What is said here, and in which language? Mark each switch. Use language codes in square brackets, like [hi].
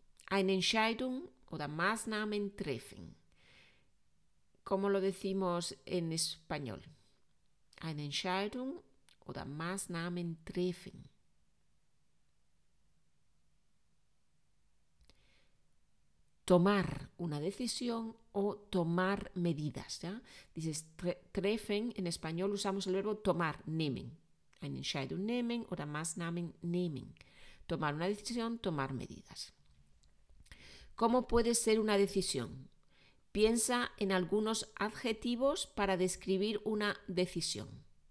[de] Eine Entscheidung oder Maßnahmen treffen. [es] ¿Cómo lo decimos en español? [de] Eine Entscheidung oder Maßnahmen treffen. [es] Tomar una decisión o tomar medidas, ¿ya? Dices treffen, en español usamos el verbo tomar, nehmen. [de] Eine Entscheidung nehmen oder Maßnahmen nehmen. [es] Tomar una decisión, tomar medidas. ¿Cómo puede ser una decisión? Piensa en algunos adjetivos para describir una decisión.